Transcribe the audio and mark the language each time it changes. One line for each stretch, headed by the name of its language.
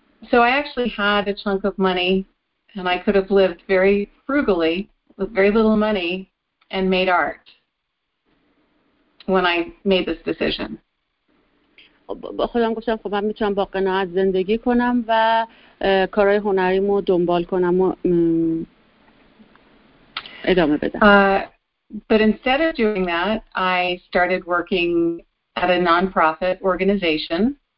English: So I actually had a chunk of money and I could have lived very frugally with very little money and made art when I made this decision.
Persian: خودم گفتم خب من میتونم با قناعت زندگی کنم و کارهای هنریمو دنبال کنم و ادامه بدم.
English: But instead of doing that, I started working at a non-profit organization.